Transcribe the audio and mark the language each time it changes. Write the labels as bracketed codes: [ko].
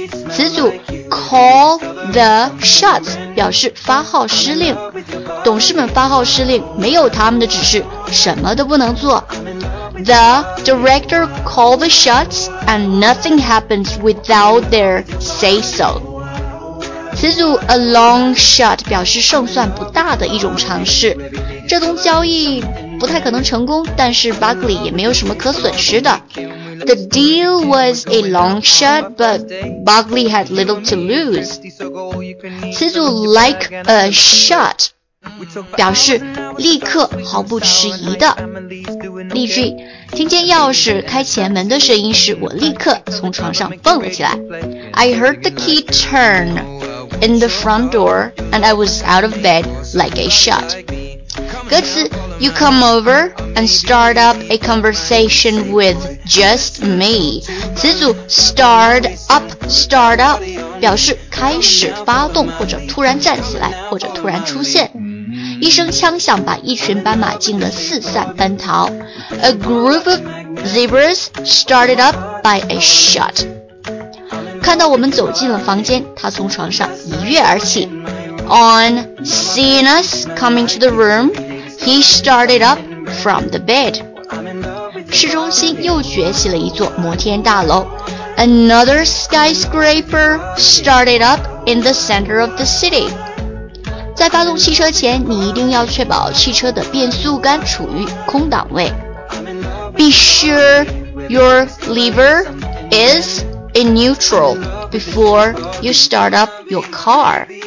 [zh] 此组 call the shots 表示发号施令。董事们发号施令，没有他们的指示，什么都不能做。 [en] The director called the shots and nothing happens without their say-so. [zh] 此组 a long shot 表示胜算不大的一种尝试。这宗交易不太可能成功，但是 Buckley 也没有什么可损失的。 [en] The deal was a long shot, but Buckley had little to lose. 此组 like a shot. [zh] 表示立刻毫不迟疑的。例句，听见钥匙开前门的声音时，我立刻从床上蹦了起来。 [en] I heard the key turn in the front door and I was out of bed like a shot. 歌词 You come over and start up a conversation with just me. [zh] 此组 start up 表示开始发动，或者突然站起来，或者突然出现。一声枪响把一群斑马惊得四散奔逃。 [en] A group of zebras started up by a shot. [zh] 看到我们走进了房间，他从床上一跃而起。 [en] On seeing us coming to the room, he started up from the bed. [zh] 市中心又崛起了一座摩天大楼。 [en] Another skyscraper started up in the center of the city. [zh] 在发动汽车前，你一定要确保汽车的变速杆处于空档位。 [en] Be sure your lever is in neutral before you start up your car.